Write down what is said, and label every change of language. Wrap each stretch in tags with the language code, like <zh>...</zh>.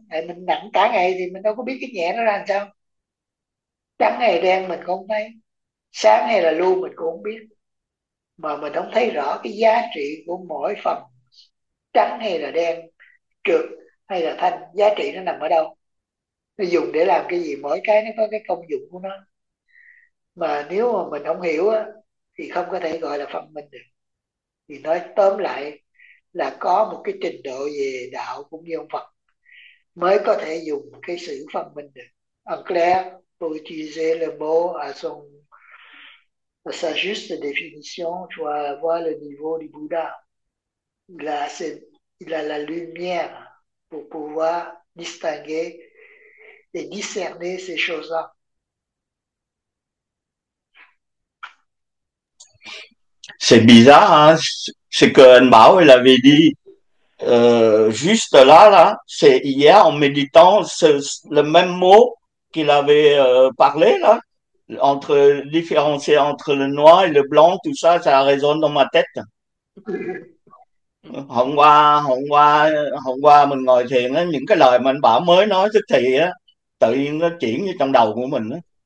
<vi>Tại mình nặng cả ngày thì mình đâu có biết cái nhẹ nó ra làm sao. Trắng hay đen mình không thấy, sáng hay là lu mình cũng không biết, mà mình không thấy rõ cái giá trị của mỗi phần trắng hay là đen, trượt hay là thanh, giá trị nó nằm ở đâu, nó dùng để làm cái gì, mỗi cái nó có cái công dụng của nó. Mà nếu mà mình không hiểu á thì không có thể gọi là phân minh được. Thì nói tóm lại là có một cái trình độ về đạo cũng như ông Phật mới có thể dùng cái sự phân minh được.</vi> <fr>Ông Claire, vous utilisez le mot à son sa juste définition, tu vas voir le niveau du Bouddha. Il a la lumière pour pouvoir distinguer et discerner ces choses-là. C'est bizarre, hein, ce qu'Anne Bảo elle avait dit. Juste là, c'est hier en méditant, le même mot qu'il avait parlé, là, entre différencier entre le noir et le blanc, tout ça, ça résonne dans ma tête.</fr> <vi>Hôm qua, mình ngồi thiền, đó, những cái lời mà Anh Bảo mới nói tức thì, đó, tự nhiên nó chuyển như trong đầu của mình. Đó.</vi>